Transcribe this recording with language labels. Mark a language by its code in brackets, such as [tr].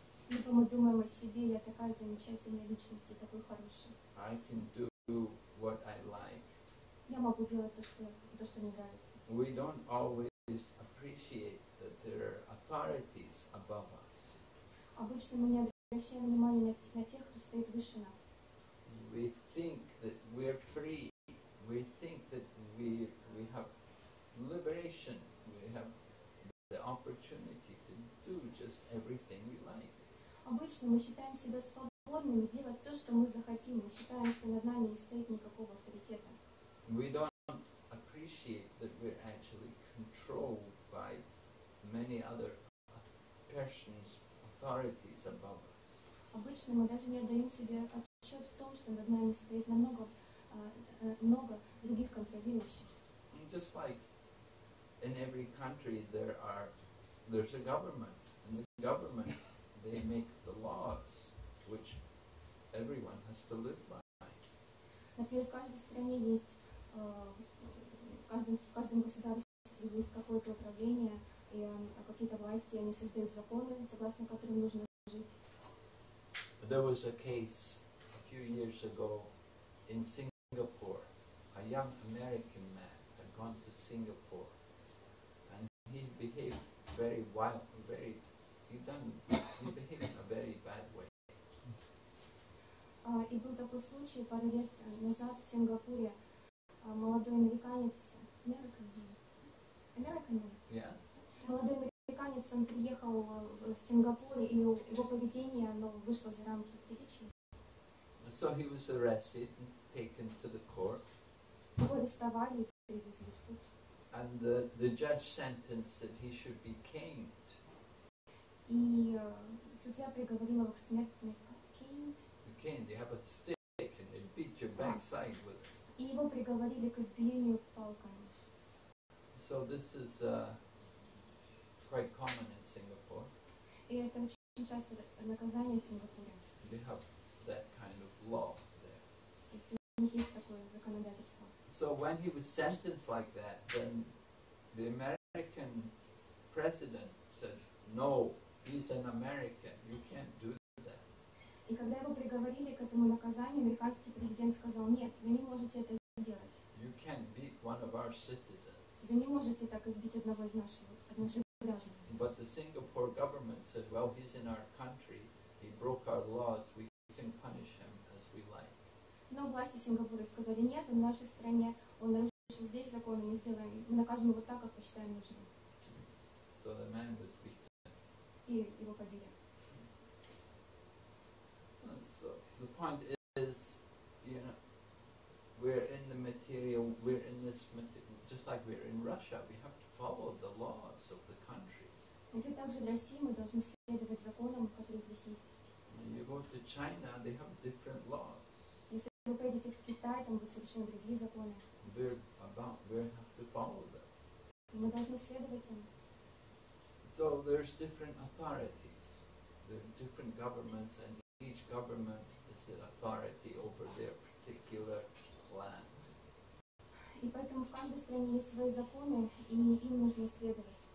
[ru] Либо мы думаем о себе, я такая замечательная личность, я такой хороший. [en] I can do what I like. [ru] Я могу делать то, что мне нравится. [en] We don't always appreciate that there are authorities above us. [ru] Обычно мы не обращаем внимания на тех, кто стоит выше нас. [en] We think that we're free. We think that we have liberation. We have the opportunity to do just everything we like. [ru] Обычно мы считаем себя свободными делать все, что мы захотим. Мы считаем, что над нами не стоит никакого авторитета. [en] We don't appreciate that we're actually controlled by many other persons, authorities above us. [ru] Обычно мы даже не отдаем себе отчет в том, что над нами стоит намного много других контролирующих. [en] Just like in every country there's a government, and the government they make the laws which everyone has to live by. [ru] Например, в каждой стране есть в каждом государстве есть какое-то управление и какие-то власти, они создают законы, согласно которым нужно жить. [en] There was a case a few years ago in Singapore. A young American man had gone to Singapore and he behaved very wild, very he behaved in a very bad way. [ru] И был такой случай пару лет назад в Сингапуре. Молодой американец, молодой американец, он приехал в Сингапур, и его поведение, оно вышло за рамки приличия. [en] So he was arrested and taken to the court. [ru] Его арестовали и привезли в суд. [en] And the judge sentenced that he should be caned. [ru] И судья приговорил его к смертной казни. [en] Cane, they have a stick and they beat your backside with it. [ru] И его приговорили к избиению палками. [en] So this is quite common in Singapore. [ru] И это очень часто наказание в Сингапуре. [en] They have that kind of law there. [ru] То есть у них есть такое законодательство. [en] So when he was sentenced like that, then the American president said, no, he's an American, you can't do that. [ru] И когда его приговорили к этому наказанию, американский президент сказал, нет, вы не можете это сделать. [en] You can't beat one of our citizens. [ru] Вы не можете так избить одного из наших граждан. [en] But the Singapore government said, well, he's in our country, he broke our laws, we can punish him as we like. [ru] Но власти Сингапура сказали, нет, он в нашей стране, он нарушил лишь здесь законы мы сделаем, мы накажем его так, как посчитаем нужным. [en] So the man was beaten. [ru] И его побили. [en] So the point is, you know, we're in the material, we're in this material, just like we're in Russia, we have to follow the laws of the country. [ru] Также в России мы должны следовать законам, которые здесь есть. [en] When you go to China, they have different laws. [ru] Если вы поедете в Китай, там будут совершенно другие законы. [en] We have to follow them. [ru] Мы должны следовать им. [en] So there's different authorities, there are different governments, and each government is an authority over their particular land. [ru] И поэтому в каждой стране есть свои законы, и им нужно следовать.